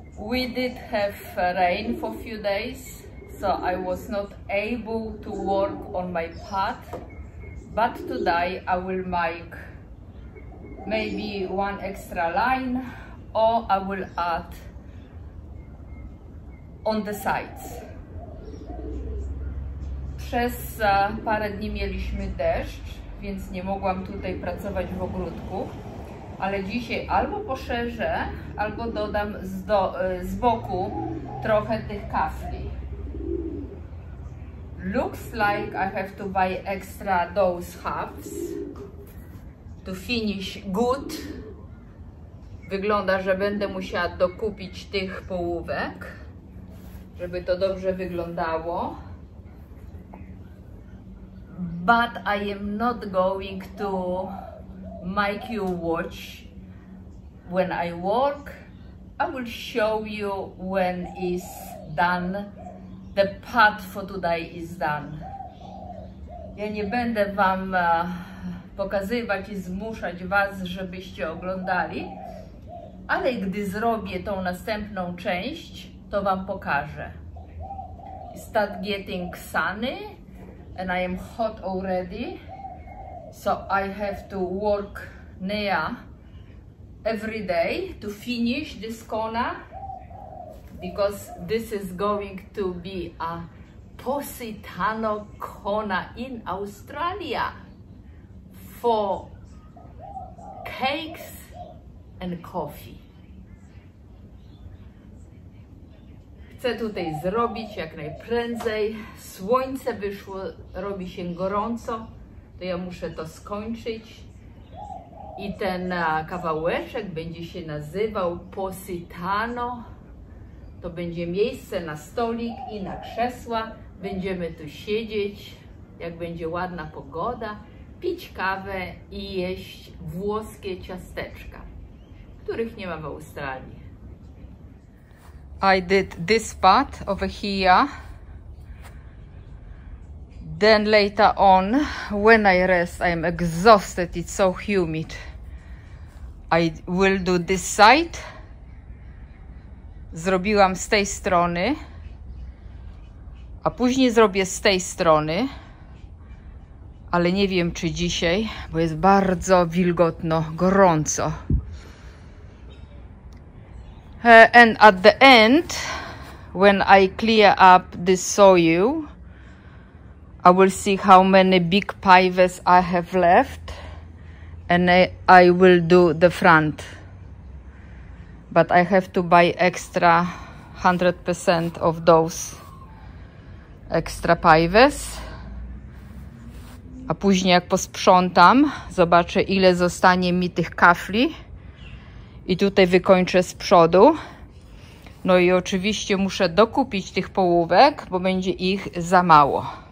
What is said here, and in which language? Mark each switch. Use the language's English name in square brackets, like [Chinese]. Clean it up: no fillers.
[English] We did have rain for a few days, so I was not able to work on my path. But today I will make maybe one extra line, or I will add on the sides. [Polish] Przez parę dni mieliśmy deszcz, więc nie mogłam tutaj pracować w ogródku, ale dzisiaj albo poszerzę, albo dodam z boku trochę tych kafli. [English] Looks like I have to buy extra those halves to finish good. [Polish] Wygląda, że będę musiała dokupić tych połówek, żeby to dobrze wyglądało. [English] But I am not going to make you watch when I work. I will show you when it's done. The path for today is done. [Polish] Ja nie będę wam pokazywać i zmuszać was, żebyście oglądali, ale gdy zrobię tą następną część, to wam pokażę. [English] Start getting sunny. And I am hot already, so I have to work near every day to finish this corner, because this is going to be a Positano corner in Australia for cakes and coffee. [Polish] Chcę tutaj zrobić jak najprędzej. Słońce wyszło, robi się gorąco, to ja muszę to skończyć. I ten kawałeczek będzie się nazywał Positano. To będzie miejsce na stolik i na krzesła. Będziemy tu siedzieć, jak będzie ładna pogoda, pić kawę i jeść włoskie ciasteczka, których nie ma w Australii. [English] I did this part over here. Then later on, when I rest, I'm exhausted. It's so humid. I will do this side. [Polish] Zrobiłam z tej strony. A później zrobię z tej strony. Ale nie wiem, czy dzisiaj, bo jest bardzo wilgotno, gorąco. [English] And at the end, when I clear up the soil, I will see how many big pives I have left, and I will do the front. But I have to buy extra 100% of those extra pives. [Polish] A później jak posprzątam, zobaczę, ile zostanie mi tych kafli. I tutaj wykończę z przodu. No i oczywiście muszę dokupić tych połówek, bo będzie ich za mało.